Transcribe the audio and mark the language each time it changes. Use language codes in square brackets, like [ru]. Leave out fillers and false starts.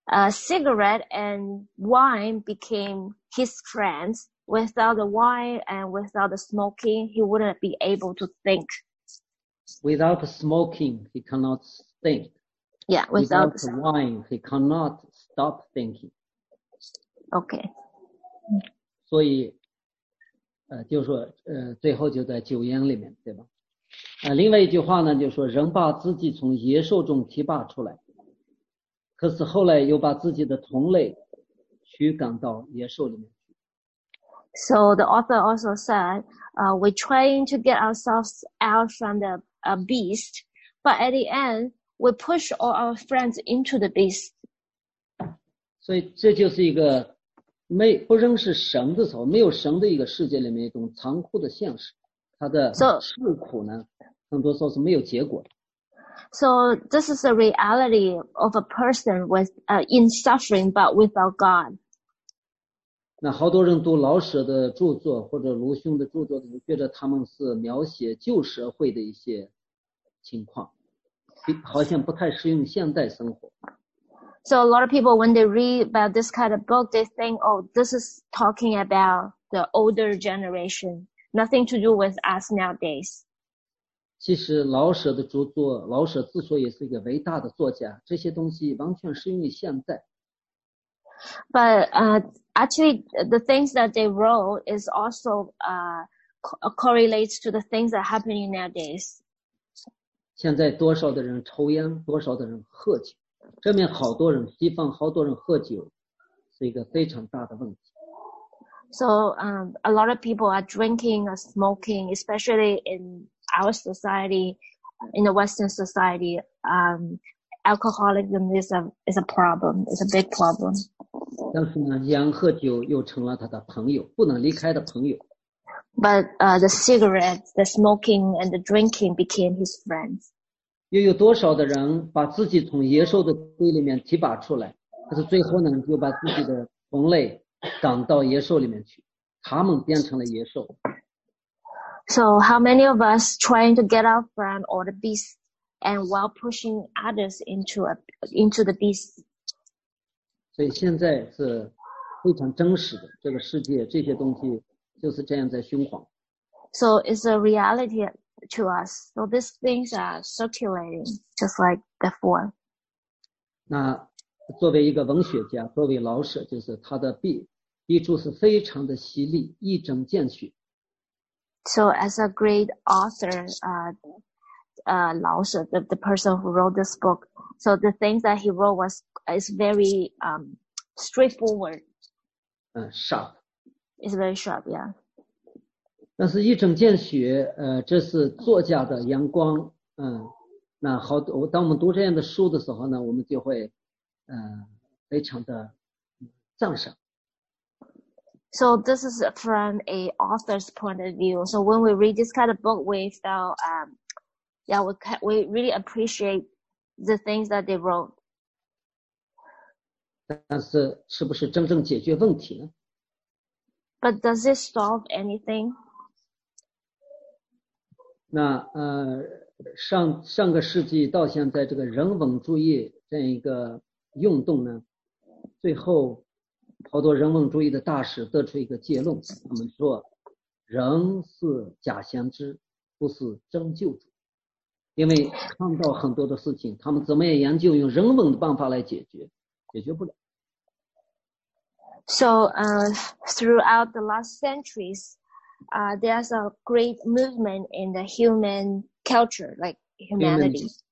[en] cigarette and wine became his friends. Without the wine and without the smoking, he wouldn't be able to think. Without smoking, he cannot think. Yeah, without wine, he cannot stop thinking. Okay. [zh] 所以，就说，最后就在酒宴里面，对吧？另外一句话呢，就说人把自己从野兽中提拔出来，可是后来又把自己的同类驱赶到野兽里面。 [en] So the author also said, we're trying to get ourselves out from the beast, but at the end, we push all our friends into the beast. [zh] 所以这就是一个没不仍是神的时候，没有神的一个世界里面一种残酷的现实。他的受苦呢，很多时候是没有结果的。 [en] So this is the reality of a person with in suffering but without God. [zh] 那好多人读老舍的著作或者卢兄的著作，觉得他们是描写旧社会的一些情况，好像不太适用现代生活。 [en] So a lot of people, when they read about this kind of book, they think, oh, this is talking about the older generation. Nothing to do with us nowadays. [zh] 其实老舍的著作，老舍之所以是一个伟大的作家，这些东西完全适用于现在。 [en] But actually, the things that they wrote is also correlates to the things that are happening nowadays. [zh] 现在多少的人抽烟，多少的人喝酒。这边好多人，西方好多人喝酒，是一个非常大的问题。 [en] So, a lot of people are drinking or smoking, especially in our society, in the Western society. Alcoholism is a problem. It's a big problem. [zh] 但是呢，烟和酒又成了他的朋友，不能离开的朋友。 [en] But the cigarettes, the smoking, and the drinking became his friends. [zh] 又有多少的人把自己从野兽的堆里面提拔出来，可是最后呢，又把自己的同类赶到野兽里面去，他们变成了野兽。 [en] So how many of us trying to get out from all the beasts and while pushing others into the beast? [zh] 所以现在是非常真实的，这个世界这些东西就是这样在循环。 [en] So it's a reality. To us, so these things are circulating just like before. [zh] 那作为一个文学家，作为老舍，就是他的笔触是非常的犀利，一针见血。 [en] So as a great author, Lao Shi, the person who wrote this book, so the things that he wrote is very straightforward. Sharp. It's very sharp, yeah. [zh] 但是一针见血，这是作家的阳光，那好，当我们读这样的书的时候呢，我们就会，非常的赞赏。 [en] So this is from a author's point of view. So when we read this kind of book, we felt, we really appreciate the things that they wrote. [zh] 但是是不是真正解决问题呢？ [en] But does it solve anything? [zh] 那上个世纪到现在，这个人文主义这样一个运动呢，最后好多人文主义的大师得出一个结论，他们说人是假先知，不是真救主，因为看到很多的事情，他们怎么也研究用人文的办法来解决，解决不了。 [en] So throughout the last centuries. There's a great movement in the human culture, like humanity.